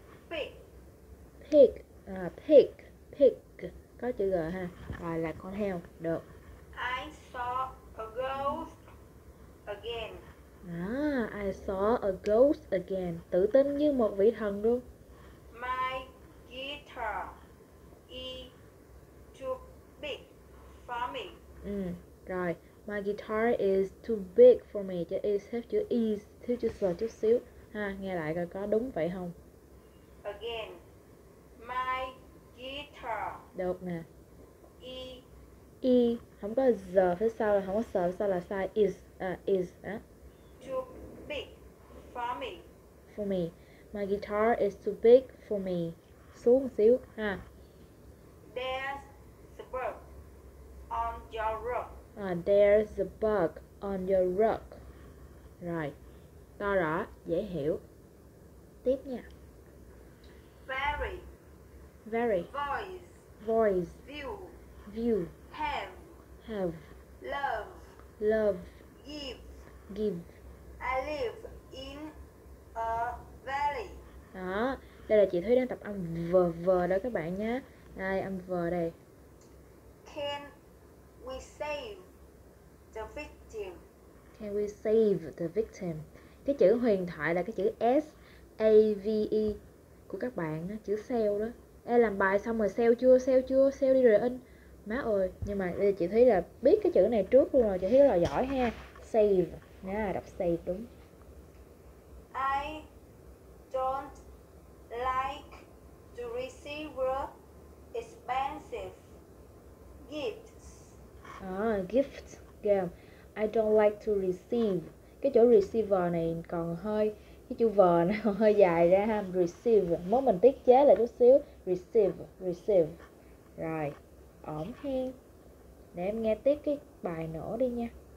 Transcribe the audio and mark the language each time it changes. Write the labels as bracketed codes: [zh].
[en] Pig. [vi] Pig. À, pig. Pig. Có chữ g ha. À, là con heo. Được. [en] I saw a ghost again. À, I saw a ghost again. [vi] Tự tin như một vị thần luôn. [en] My guitar is too big for me. [vi] Ừ, rồi. [en] My guitar is too big for me. [vi] Chữ is thêm chữ is, thiếu chữ s chút xíu. Ha, nghe lại coi có đúng vậy không? [en] Again. My guitar. [vi] Được nè. Y không có z phía sau, là không có s phía sau là sai. [en] Is à, is á. Too big for me. For me. My guitar is too big for me. [vi] Xuống một xíu ha. [en] There's a bug on your rug. À, there's a bug on your rug. [vi] Right. To rõ, dễ hiểu. Tiếp nha. [en] Very. Very. Voice. Voice. View. View. Have. Have. Love. Love. Give. Give. I live in a valley. [vi] Đó, đây là chị Thúy đang tập âm v đó các bạn nhé. Đây, âm v đây. [en] Can we save the victim? Can we save the victim? [vi] Cái chữ huyền thoại là cái chữ S A V E của các bạn đó, chữ sale đó. Ê, làm bài xong rồi sale chưa? Sale chưa? Sale đi rồi in. Má ơi, nhưng mà đây chị thấy là biết cái chữ này trước luôn rồi, chị thấy là giỏi ha. Save. Nha, đọc save đúng. [en] I don't like to receive expensive gifts. À, gift game. I don't like to receive. [vi] Cái chỗ receiver này còn hơi, cái chữ v nó hơi dài ra ha. Receive, mới mình tiết chế lại chút xíu. Receive, receive. Rồi, ổn hen. Để em nghe tiếp cái bài nổ đi nha.